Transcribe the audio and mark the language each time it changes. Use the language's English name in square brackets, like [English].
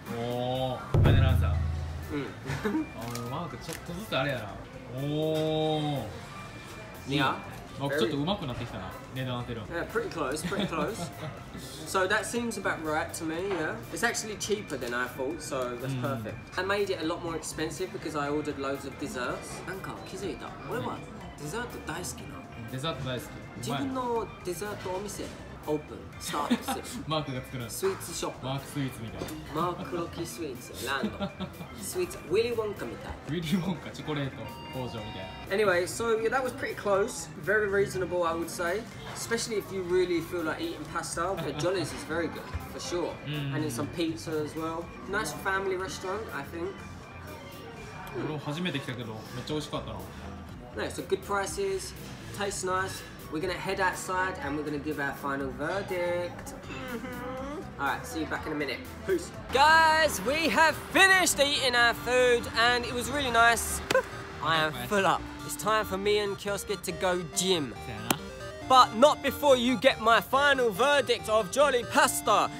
[Japanese] おお、ファイナルアンサー。うん。マークちょっとずつあれやな。おお。いや。マークちょっと上手くなってきたな。値段当てる。 [English] Yeah, pretty close, pretty close. So that seems about right to me. Yeah. It's actually cheaper than I thought, so that's perfect. I made it a lot more expensive because I ordered loads of desserts. [Japanese] なんか気づいた。俺はデザート大好きな。デザート大好き。自分のデザートお店 [English] open. Start. [Japanese] マークが作る。スイーツショップ。マークスイーツみたいな。マークロキスイーツ。ランド。スイーツ。ウィリーウォンカみたい。ウィリーウォンカ。チョコレート工場みたいな。 [English] Anyway, so yeah, that was pretty close. Very reasonable, I would say. Especially if you really feel like eating pasta. But Jolly's is very good, for sure. And then some pizza as well. Nice family restaurant, I think. [Japanese] 俺初めて来たけど、めっちゃ美味しかったな。 [English] No, so good prices, tastes nice. We're gonna head outside and we're gonna give our final verdict. Alright, see you back in a minute. Peace. Guys, we have finished eating our food and it was really nice. I am full up. It's time for me and Kiosuke to go gym. But not before you get my final verdict of Jolly Pasta.